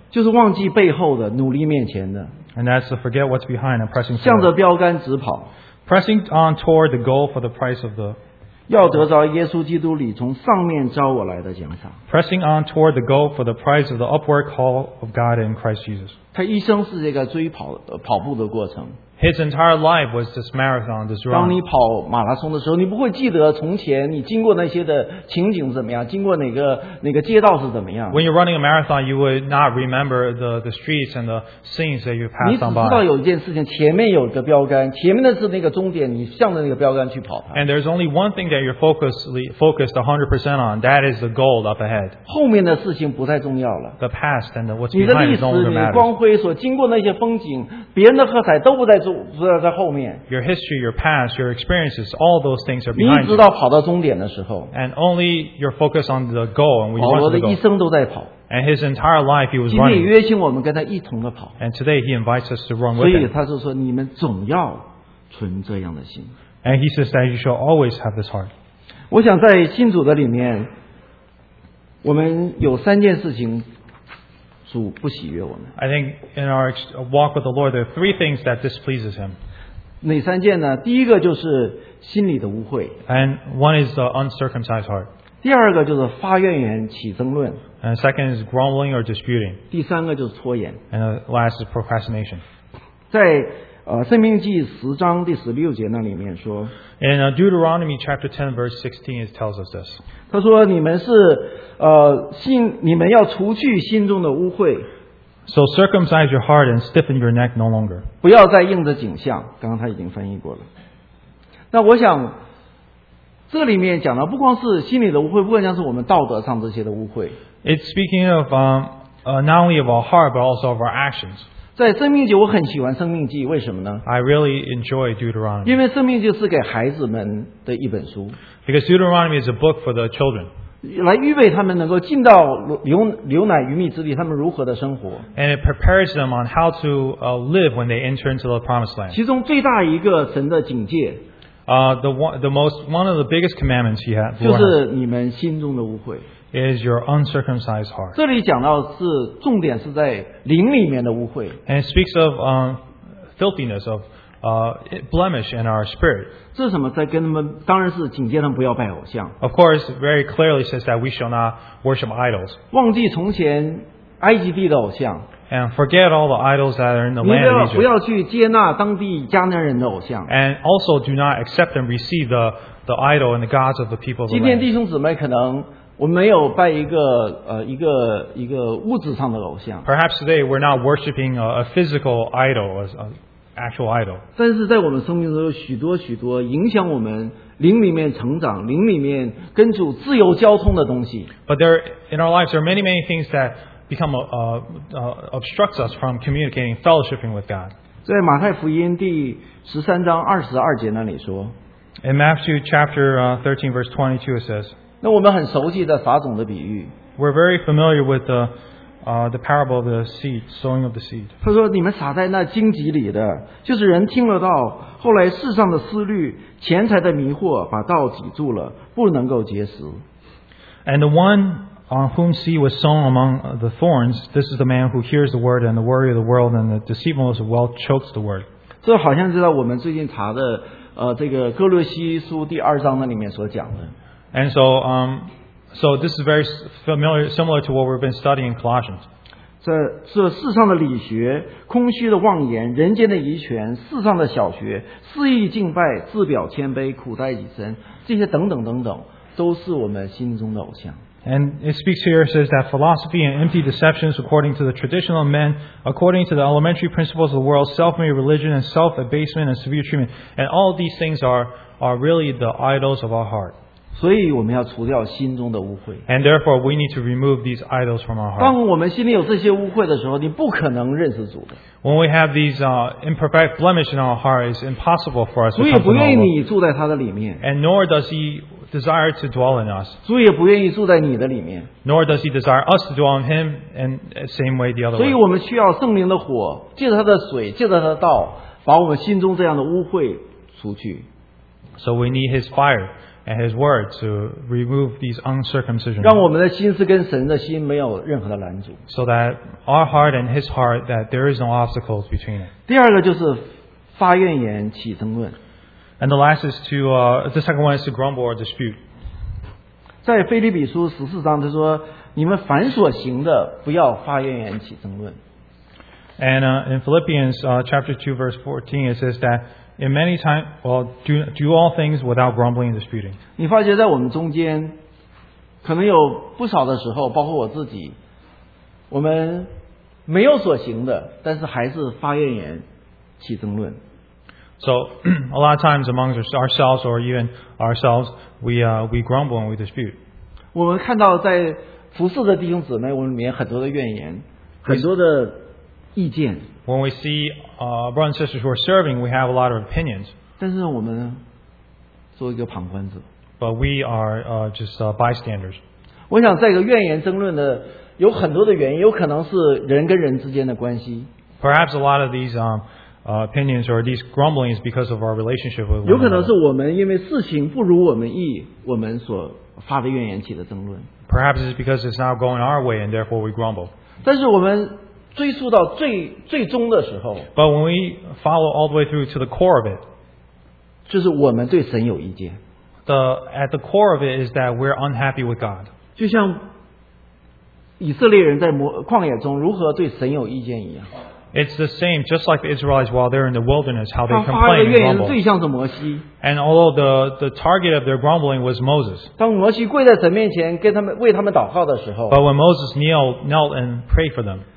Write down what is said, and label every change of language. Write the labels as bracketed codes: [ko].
[zh] 就是忘记背后的，努力面前的。 [en] And that's to forget what's behind and pressing forward. [zh] 向着标杆直跑。 [en] Pressing on toward the goal for the price of the... [zh] 要得着耶稣基督里从上面召我来的奖赏。 [en] Pressing on toward the goal for the price of the upward call of God in Christ Jesus. [zh] 他一生是这个追跑跑步的过程。 [en] His entire life was this marathon, this run. [zh] 当你跑马拉松的时候，你不会记得从前你经过那些的情景怎么样，经过哪个街道是怎么样。 [en] When you're running a marathon, you would not remember the streets and the scenes that you passed on by. [zh] 你只知道有一件事情，前面有一个标杆，前面的是那个终点，你向着那个标杆去跑它。 [en] And there's only one thing that you're focused 100% on. That is the goal up ahead. [zh] 后面的事情不太重要了。 [en] The past and what's behind don't matter. [zh] 你的历史、你的光辉所经过那些风景、别人的喝彩都不在。 [en] Your history, your past, your experiences, all those things are behind you. [zh] 你知道跑到终点的时候。 [en] And only your focus on the goal and we want to go. [zh] 保罗的一生都在跑。 [en] And his entire life he was running. [zh] 今天约请我们跟他一同的跑。 [en] And today he invites us to run with him. [zh] 所以他就说你们总要存这样的心。 [en] And he says that you shall always have this heart. [zh] 我想在信主的里面，我们有三件事情。主不喜悦我们。 [en] I think in our walk with the Lord, there are three things that displeases Him. [zh] 哪三件呢？第一个就是心里的污秽。 [en] And one is the uncircumcised heart. [zh] 第二个就是发怨言、起争论。 [en] And second is grumbling or disputing. [zh] 第三个就是拖延。 [en] And last is procrastination. [zh] 在生命记十章第十六节那里面说。 [en] And Deuteronomy chapter 10 verse 16 it tells us this. [zh] 他说你们是心你们要除去心中的污秽。 [en] So circumcise your heart and stiffen your neck no longer. [zh] 不要再硬着颈项，刚刚他已经翻译过了。那我想这里面讲的不光是心里的污秽，不光像是我们道德上这些的污秽。 [en] It's speaking of not only of our heart but also of our actions. [zh] 在生命记，我很喜欢生命记，为什么呢 [en] ？I really enjoy Deuteronomy. [zh] 因为生命记是给孩子们的一本书。 [en] Because Deuteronomy is a book for the children. [zh] 来预备他们能够进到流奶于蜜之地，他们如何的生活 [en] ？And it prepares them on how to live when they enter into the promised land. [zh] 其中最大一个神的警戒。 [en] One of the biggest commandments he had [zh] 就是你们心中的污秽 [en] is your uncircumcised heart. [zh] 这里讲到是重点是在灵里面的污秽 [en] and it speaks of filthiness of blemish in our spirit. [zh] 这是什么？在跟他们当然是警戒他们不要拜偶像 [en] Of course, very clearly says that we shall not worship idols. [zh] 忘记从前埃及地的偶像 [en] and forget all the idols that are in the land of Egypt. [zh] 不要去接纳当地迦南人的偶像 [en] and also do not accept and receive the idol and the gods of the people of the land. [zh] 今天弟兄姊妹可能我们没有拜一个物质上的偶像 [en] perhaps today we're not worshiping a physical idol, an actual idol. [zh] 但是在我们生命中有许多许多影响我们灵里面成长，灵里面跟主自由交通的东西 [en] but there in our lives there are many many things thatbecome obstructs us from communicating, fellowshipping with God. [zh] 在马太福音第十三章二十二节那里说 [en] ，In Matthew chapter 13 verse 22 it says. [zh] 那我们很熟悉的撒种的比喻。 [en] We're very familiar with the parable of the seed, sowing of the seed. [zh] 他说：“你们撒在那荆棘里的，就是人听了道，后来世上的思虑、钱财的迷惑，把道挤住了，不能够结实。 [en] ”And the one on whom seed was sown among the thorns, this is the man who hears the word and the worry of the world and the deceitfulness of wealth chokes the word. [zh] 这好像是在我们最近查的这个哥罗西书第二章那里面所讲的。 [en] And so this is very similar to what we've been studying in Colossians. [zh] 这世上的理学、空虚的妄言、人间的遗权、世上的小学、肆意敬拜、自表谦卑、苦待己身，这些等等等等，都是我们心中的偶像。 [en] And it speaks here, it says that philosophy and empty deceptions according to the traditional men, according to the elementary principles of the world, self-made religion and self-abasement and severe treatment, and all these things are really the idols of our heart. [zh] 所以我们要除掉心中的污秽。 [en] And therefore, we need to remove these idols from our heart. [zh] 当我们心里有这些污秽的时候，你不可能认识主的。 [en] When we have these imperfect blemish in our heart, it's impossible for us to come to know. [zh] 主也不愿意你住在他的里面。 [en] And nor does he desire to dwell in us. [zh] 主也不愿意住在你的里面。 [en] Nor does he desire us to dwell in him, and same way the other way. [zh] 所以我们需要圣灵的火，借着他的水，借着他的道，把我们心中这样的污秽除去。 [en] So we need his fire and his word to remove these uncircumcision. [zh] 让我们的心是跟神的心没有任何的拦阻。 [en] So that our heart and his heart, that there is no obstacles between it. [zh] 第二个就是发怨言，起争论。 [en] And the last is to the second one is to grumble or dispute. [zh] 在腓立比书十四章，他说：“你们凡所行的，不要发怨言起争论。” [en] And in Philippians chapter 2 verse 14, it says that in many times, well, do all things without grumbling and disputing. [zh] 你发觉在我们中间，可能有不少的时候，包括我自己，我们没有所行的，但是还是发怨言起争论。 [en] So, a lot of times amongst ourselves or even ourselves, we grumble and we dispute. [zh] 我们看到在服侍的弟兄姊妹，我们里面很多的怨言，很多的意见。 [en] When we see brothers and sisters who are serving, we have a lot of opinions. [zh] 但是我们做一个旁观者。 [en] But we are just bystanders. [zh] 我想这个怨言争论的有很多的原因，有可能是人跟人之间的关系。 [en] Perhaps a lot of these opinions or these grumblings because of our relationship with one another. [zh] 有可能是我们因为事情不如我们意，我们所发的怨言起的争论。 [en] Perhaps it's because it's not going our way and therefore we grumble. [zh] 但是我们追溯到最终的时候。 [en] But when we follow all the way through to the core of it. [zh] 就是我们对神有意见。 [en] At the core of it is that we're unhappy with God. [zh] 就像以色列人在旷野中如何对神有意见一样。 [en] It's the same, just like the Israelites while they're in the wilderness, how they complain and grumble. And although the target of their grumbling was Moses. But when Moses knelt and prayed for them,